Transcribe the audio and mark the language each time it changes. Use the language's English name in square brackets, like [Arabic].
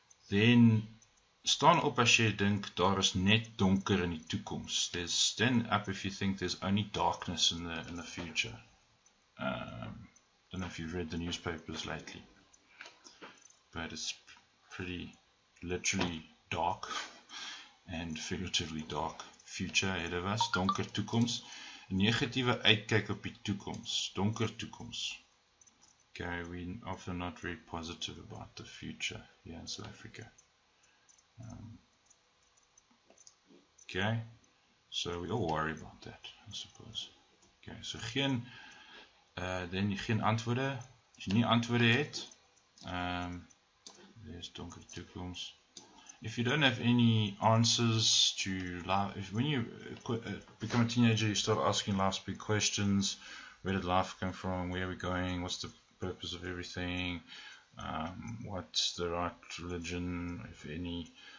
[Afrikaans] Then, staan op as jy dink, daar is net donker in die toekoms. [English] There's stand up if you think there's only darkness in the future. Don't know if you've read the newspapers lately, but it's pretty literally dark and figuratively dark future ahead of us. [Afrikaans] Donker toekoms. Negatieve uitkyk op die toekoms. Donker toekoms. [English] Okay, we often not very positive about the future here in South Africa. Okay, so we all worry about that, I suppose. Okay, so [Afrikaans] geen, [English] then [Afrikaans] geen antwoorde. As jy nie antwoorde het, [English] there's [Afrikaans] donker toekoms. [English] If you don't have any answers to life, when you become a teenager, you start asking life's big questions. Where did life come from? Where are we going? What's the purpose of everything? What's the right religion, if any?